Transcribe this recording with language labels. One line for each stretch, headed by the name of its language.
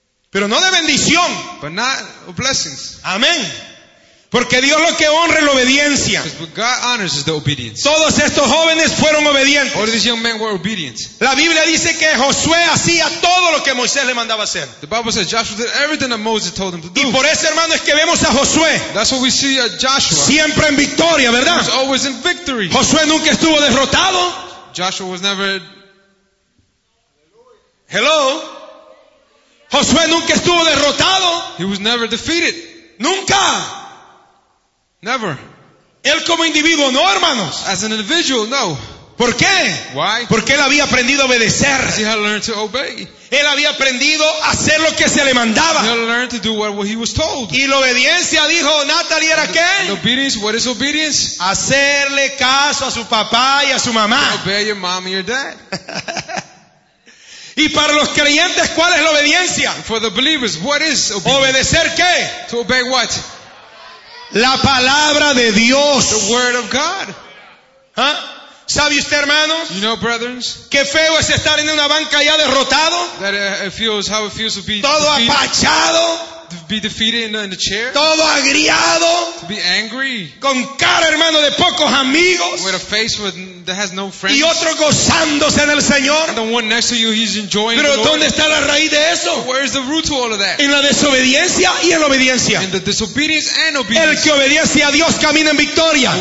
Spanish: Pero no de bendición.
English: But not of blessings.
Spanish: Amén. Porque Dios lo que honra es la obediencia.
English: God honors is the obedience.
Spanish: Todos estos jóvenes fueron obedientes.
English: All these young men were obedient.
Spanish: La Biblia dice que Josué hacía todo lo que Moisés le mandaba hacer.
English: The Bible says Joshua did everything that Moses told him to do.
Spanish: Y por eso, hermano, es que vemos a Josué.
English: That's what we see at Joshua.
Spanish: Siempre en victoria, ¿verdad?
English: He was always in victory.
Spanish: Josué nunca estuvo derrotado.
English: Joshua was never. Hello.
Spanish: Josué nunca estuvo derrotado.
English: He was never defeated.
Spanish: Nunca.
English: Never.
Spanish: Él como individuo, no, hermanos.
English: As an individual, no.
Spanish: ¿Por qué?
English: Why?
Spanish: Porque él había aprendido a obedecer.
English: He had learned to obey.
Spanish: Él había aprendido a hacer lo que se le mandaba.
English: He learned to do what he was told.
Spanish: Y la obediencia, dijo Natalie, era qué?
English: Obedience, what is obedience?
Spanish: Hacerle caso a su papá y a su mamá.
English: Obey your mom and your dad.
Spanish: Y para los creyentes, ¿cuál es la obediencia?
English: For the believers, what is obedience?
Spanish: ¿Obedecer qué?
English: To obey what?
Spanish: La palabra de Dios.
English: The word of God.
Spanish: ¿Ah? ¿Sabe usted, hermanos?
English: You know, brothers,
Spanish: qué feo es estar en una banca ya derrotado.
English: That it feels, how it feels to be
Spanish: todo
English: defeated,
Spanish: apachado.
English: To be defeated in the chair.
Spanish: Todo agriado.
English: To be angry.
Spanish: Con cara, hermano, de pocos amigos.
English: With a face with, that has no friends.
Spanish: Y otro gozándose en el Señor.
English: And the one next to you, he's enjoying.
Spanish: Pero
English: the Lord.
Spanish: ¿Dónde está la raíz de eso?
English: But where is the root to all of that?
Spanish: En la desobediencia y en la obediencia.
English: In the disobedience and obedience.
Spanish: El que obedece a Dios camina en victoria.